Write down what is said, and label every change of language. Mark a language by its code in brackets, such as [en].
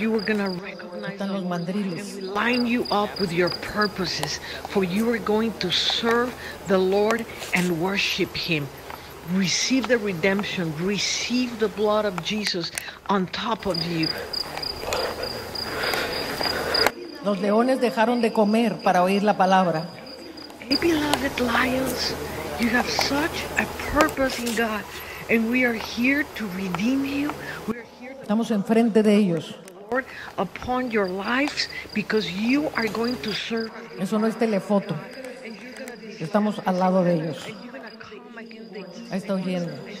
[en] You are going to recognize the Lord. And we line you up with your purposes, for you are going to serve the Lord and worship Him. Receive the redemption. Receive the blood of Jesus on top of you. [es] Los leones dejaron de comer para oír la palabra. [en] Hey, beloved lions, you have such a purpose in God, and we are here to redeem you. [es] Estamos enfrente de ellos. [en] Lord, upon your lives, because you are going to serve. [es] Eso no es telefoto. Estamos al lado de ellos. Ahí está oyendo.